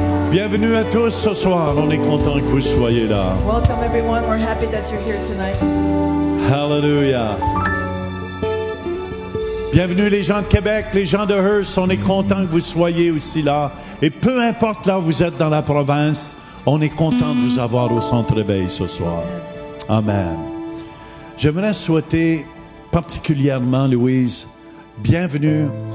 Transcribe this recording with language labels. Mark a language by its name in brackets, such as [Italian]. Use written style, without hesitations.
[French] Bienvenue à tous ce soir, on est content que vous soyez là. [English] Welcome everyone, we're happy that you're here tonight. Hallelujah. [French] Bienvenue les gens de Québec, les gens de Hearst, on est content que vous soyez aussi là. Et peu importe là où vous êtes dans la province, on est content de vous avoir au Centre Éveil ce soir. Amen. J'aimerais souhaiter particulièrement, Louise, bienvenue.